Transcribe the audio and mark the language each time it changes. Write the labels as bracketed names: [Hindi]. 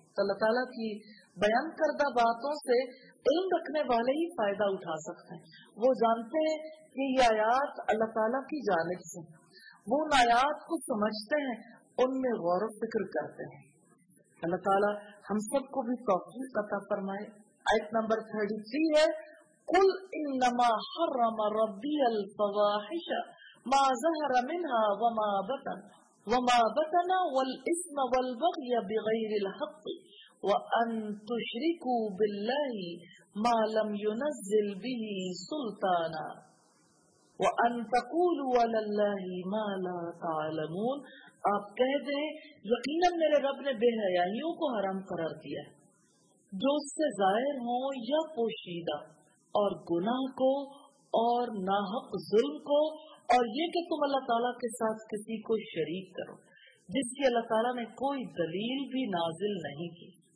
[Urdu] تو اللہ تعالیٰ کی بیان کردہ باتوں سے علم رکھنے والے ہی فائدہ اٹھا سکتے ہیں. وہ جانتے ہیں کہ یہ آیات اللہ تعالیٰ کی جانب سے, وہ ان آیات کو سمجھتے ہیں, ان میں غور و فکر کرتے ہیں. اللہ تعالیٰ ہم سب کو بھی توفیق عطا فرمائے. آیت نمبر 33 ہے, [Arabic] قل انما حرم ربی الفواحش ما ظہر منها وما بطن وما بطن والاثم والبغی بغیر الحق وان تشركوا بالله ما لم ينزل به سلطانا وان تقولوا على الله ما لا تعلمون. [Urdu] آپ کہہ دیں یقینا میرے رب نے بے حیائیوں کو حرام قرار دیا ہے جو اس سے ظاہر ہوں یا پوشیدہ, اور گناہ کو اور ناحق ظلم کو, اور یہ کہ تم اللہ تعالیٰ کے ساتھ کسی کو شریک کرو جس کی اللہ تعالیٰ نے کوئی دلیل بھی نازل نہیں کی.